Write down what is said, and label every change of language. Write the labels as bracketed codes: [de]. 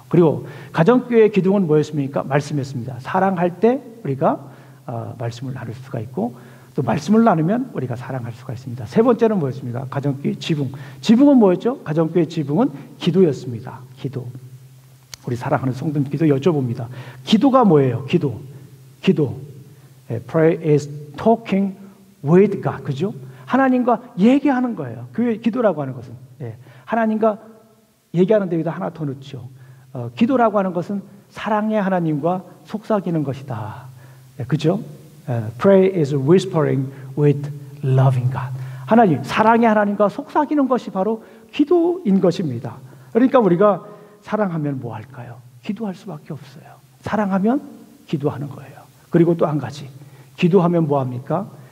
[ko] 그리고 가정교회의 기둥은 뭐였습니까? 말씀이었습니다. 사랑할 때 우리가 말씀을 나눌 수가 있고, 또 말씀을 나누면 우리가 사랑할 수가 있습니다. 세 번째는 뭐였습니까? 가정교회 지붕. 지붕은 뭐였죠? 가정교회 지붕은 기도였습니다. 기도. 우리 사랑하는 성도님께도 여쭤봅니다. 기도가 뭐예요? 기도. 기도. [en] Prayer is talking with God. [ko] 그죠? 하나님과 얘기하는 거예요. 교회 기도라고 하는 것은. 예. 하나님과 얘기하는 데에다 하나 더 넣죠. 기도라고 하는 것은 사랑의 하나님과 속삭이는 것이다. 예, 그죠? [en] Pray is whispering with loving God. [ko] 하나님, 사랑의 하나님과 속삭이는 것이 바로 기도인 것입니다. 그러니까 우리가 사랑하면 뭐 할까요? 기도할 수밖에 없어요. 사랑하면 기도하는 거예요. 그리고 또 한 가지, 기도하면 뭐 합니까?